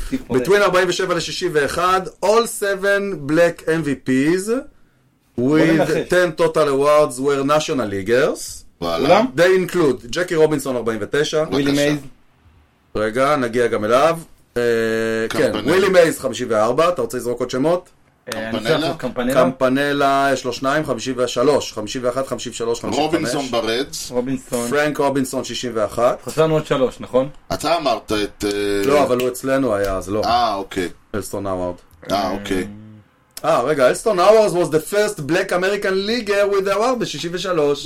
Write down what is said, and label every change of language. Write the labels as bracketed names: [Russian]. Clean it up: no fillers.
[English] בטווין 47-61, all 7 black MVPs with 10 total awards were national leaguers. [Hebrew] וואלה. [English] They include ג'קי רובינסון 49. [Hebrew] ווילי מייז. רגע, נגיע גם אליו. כן, ווילי מייז 54, אתה רוצה לזרוק עוד שמות? קמפנלה, יש לו שניים, 53, 51, 53, 55. רובינסון ברץ. רובינסון. פרנק רובינסון, 61. חסרנו עוד שלוש, נכון? אתה אמרת את... לא, אבל הוא אצלנו היה, אז לא. אה, אוקיי. אלסטון אאוארד. אה, אוקיי. רגע, [English] אלסטון אוורס was the first black American leaguer with the award ב-63.